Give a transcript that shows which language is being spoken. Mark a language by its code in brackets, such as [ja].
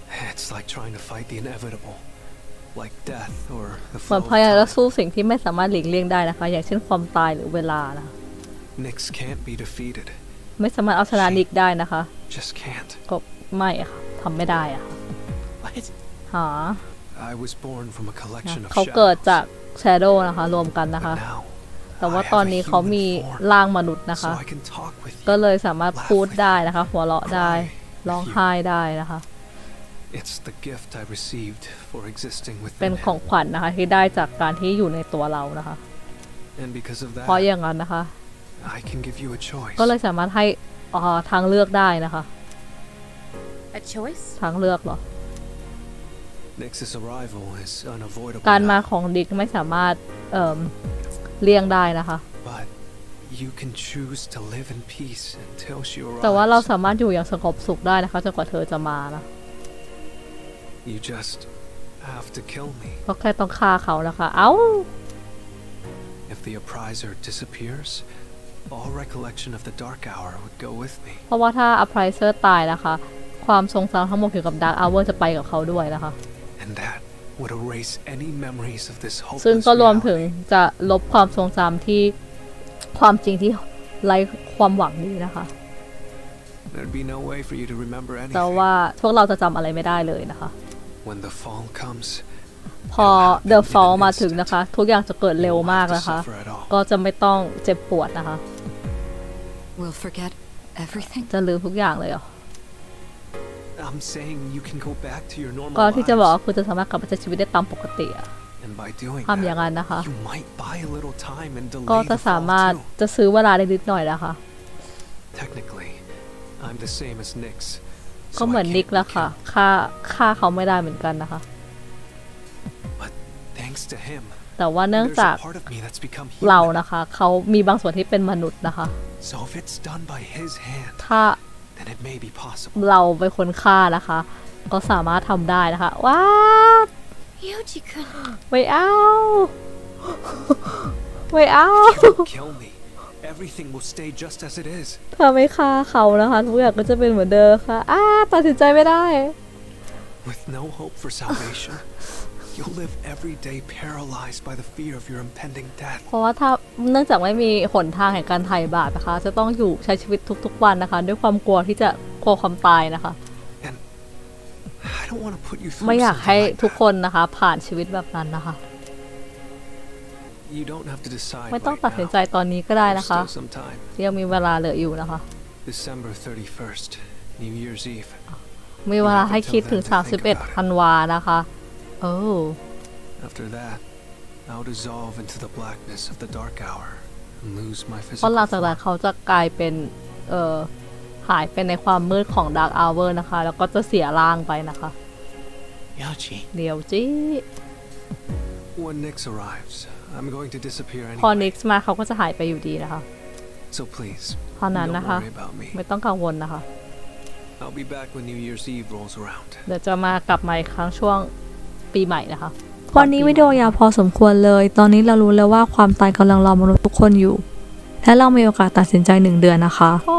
[en] It's like trying to fight the inevitable like death or the [th] fall. เหมือนพยายามสู้สิ่งที่ไม่สามารถหลีกเลี่ยงได้นะคะอย่างเช่นความตายหรือเวลานะ [en] Nix can't be defeated. [th] ไม่สามารถเอาชนะนิกได้นะคะ [en] Just can't. [th] ก็ไม่ค่ะทำไม่ได้อ่ะฮะ [en] I was born from a collection of shadows. [th] เขาเกิดจากแชโดว์นะคะรวมกันนะคะแต่ว่าตอนนี้เขามีร่างมนุษย์นะคะก็เลยสามารถพูดได้นะคะหัวเราะได้ร้องไห้ได้นะคะ [en] It's the gift I received for existing with [th] them เป็นของขวัญนะคะที่ได้จากการที่อยู่ในตัวเรานะคะ [en] And because of that [th] เพราะอย่างนั้นนะคะ [en] I can give you a choice [th] ก็เลยสามารถให้ทางเลือกได้นะคะ [en] A choice [th] ทางเลือกเหร [en] อ Nix's arrival is unavoidable [th] การมาของดิกไม่สามารถเลี่ยงได้นะคะ [en] But you can choose to live in peace until she arrives. [th] แต่ว่าเราสามารถอยู่อย่างสงบสุขได้นะคะจนกว่าเธอจะมานะ [en] You just have to kill me. [th] ก็แค่ต้องฆ่าเขานะคะเอ้า [en] If the appraiser disappears, all recollection of the dark hour would go with me. [th] เพราะว่าถ้า appraiser ตายนะคะความทรงจำทั้งหมดเกี่ยวกับ dark hour จะไปกับเขาด้วยนะคะ [en] And that. Would erase any memories of this hopeless [th] ซึ่งก็รวมถึงจะลบความทรงจำที่ความจริงที่ไร้ความหวังนี้นะคะ [en] There'd be no way for you to remember anything [th] แต่ว่าพวกเราจะจำอะไรไม่ได้เลยนะคะ [en] When the fall comes [th] พอ the fall มาถึงนะคะทุกอย่างจะเกิดเร็วมากนะคะก็จะไม่ต้องเจ็บปวดนะคะ [en] We'll forget everything [th] จะลืมทุกอย่างเลยเหรอ [en] I'm saying you can go back to your normal [th] life. ก่อนที่จะบอกคุณจะสามารถกลับมาใช้ชีวิตได้ตามปกติอ่ะ [en] And by doing [th] that, ทำอย่างนั้นนะคะ [en] You might buy a little time and delay [th] the fall. ก็จะสามารถจะซื้อเวลาได้นิดหน่อยนะคะ [en] Technically, I'm the same as Nix. [th] ก็เหมือนนิกแล้วค่ะฆ่าเขาไม่ได้เหมือนกันนะคะ [en] But thanks to him. [th] แต่ว่าเนื่องจากเรานะคะเขามีบางส่วนที่เป็นมนุษย์นะคะ [en] So if it's done by his hand. [th] ถ้า [en] It may be possible. [th] เราเป็นคนฆ่านะคะก็สามารถทำได้นะคะว้า วไม่เอาไม่เอา ไม่เอา ไม่เอา [en] Kill me. Everything will stay just as it is. [th] ถ้าไม่ฆ่าเขานะคะทุกอย่างก็จะเป็นเหมือนเดิมค่ะตัดสินใจไม่ได้ [en] With no hope for salvation, you'll live every day paralyzed by the fear of your impending death. [th] เพราะว่าถ้าเนื่องจากไม่มีหนทางแห่งการไถ่บาปนะคะจะต้องอยู่ใช้ชีวิตทุกๆวันนะคะด้วยความกลัวที่จะกลัวความตายนะคะ [en] I don't want to put you [th] through ไม่อยากให้ทุกคนนะคะผ่านชีวิตแบบนั้นนะคะ [en] You don't have to decide [th] ไม่ต้องตัดสินใจตอนนี้ก็ได้นะคะยังมีเวลาเหลืออยู่นะคะ [en] December 31st New Year's Eve [th] มีเวลาให้คิดถึง31ธันวาคมนะคะ [en] After that, I'll dissolve into the blackness of the dark hour and lose my physical. [th] เพราะหลังจากนั้นเขาจะกลายเป็นหายไปในความมืดของ dark hour นะคะแล้วก็จะเสียร่างไปนะคะ [en] Yoji. Yoji. When Nix arrives, I'm going to disappear anyway. [th] พอ Nix มาเขาก็จะหายไปอยู่ดีนะคะ [en] So please. [th] เพราะนั้นนะคะไม่ต้องกังวลนะคะ [en] I'll be back when New Year's Eve rolls around. [th] เดี๋ยวจะมากลับมาอีกครั้งช่วงปีใหม่นะคะ วันนี้วิดีโอยาวพอสมควรเลยตอนนี้เรารู้แล้วว่าความตายกำลังรอมนุษย์ทุกคนอยู่และเรามีโอกาสตัดสินใจ1เดือนนะคะ